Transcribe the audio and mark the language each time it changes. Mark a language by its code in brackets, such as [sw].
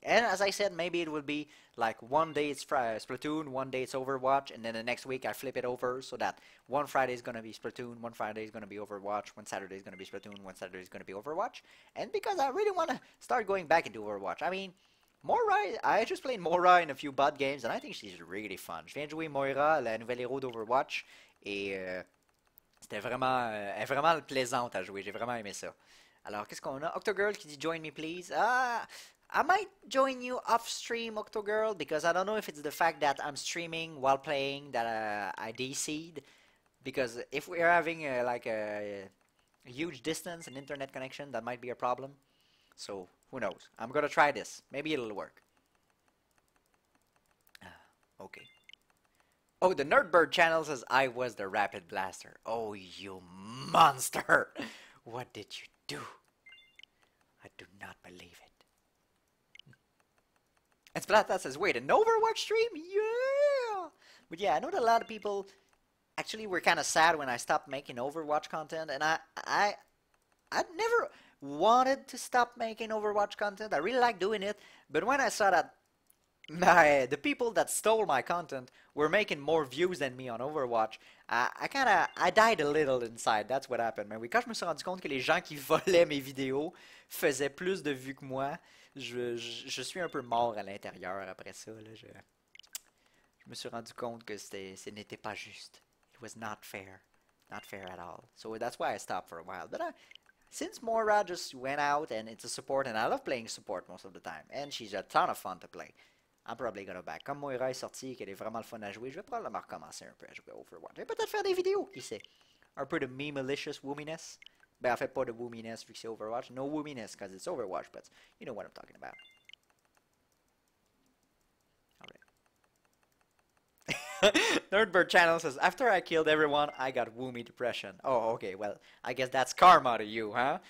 [en] And as I said, maybe it will be like one day it's Splatoon, one day it's Overwatch, and then the next week I flip it over so that one Friday is going to be Splatoon, one Friday is going to be Overwatch, one Saturday is going to be Splatoon, one Saturday is going to be Overwatch. And because I really want to start going back into Overwatch. I mean, Moira, I just played Moira in a few bot games, and I think she's really fun. [fr] Je viens de jouer Moira, la nouvelle héros d'Overwatch, et c'était vraiment, vraiment plaisante à jouer. J'ai vraiment aimé ça. Alors, qu'est-ce qu'on a? Octogirl qui dit « [en] Join me, please [fr] ». Ah! [en] I might join you off-stream, Octogirl, because I don't know if it's the fact that I'm streaming while playing that I DC'd. Because if we're having a huge distance and internet connection, that might be a problem. So, who knows? I'm gonna try this. Maybe it'll work. Okay. Oh, the Nerdbird channel says, I was the Rapid Blaster. Oh, you monster! What did you do? I do not believe it. And Splatoon says, wait, an Overwatch stream? Yeah! But yeah, I know that a lot of people actually were kind of sad when I stopped making Overwatch content. And I never wanted to stop making Overwatch content. I really like doing it. But when I saw that the people that stole my content were making more views than me on Overwatch, I died a little inside. That's what happened. [fr] Mais oui, quand je me suis rendu compte que les gens qui volaient mes vidéos faisaient plus de vues que moi, je suis un peu mort à l'intérieur après ça. Là, je me suis rendu compte que ce n'était pas juste. [en] It was not fair. Not fair at all. So that's why I stopped for a while. But since Moira just went out and it's a support, and I love playing support most of the time, and she's a ton of fun to play, I'm probably gonna back. [fr] Comme Moira est sortie et qu'elle est vraiment le fun à jouer, je vais probablement recommencer un peu à jouer Overwatch. Je vais peut-être faire des vidéos, qui sait. Un peu de me malicious woominess. Ben, en fait, pas de woominess vu que c'est Overwatch. [en] No woominess, because it's Overwatch, but you know what I'm talking about. Alright. Nerdbird Channel says, after I killed everyone, I got woomy depression. Oh, okay, well, I guess that's karma to you, huh?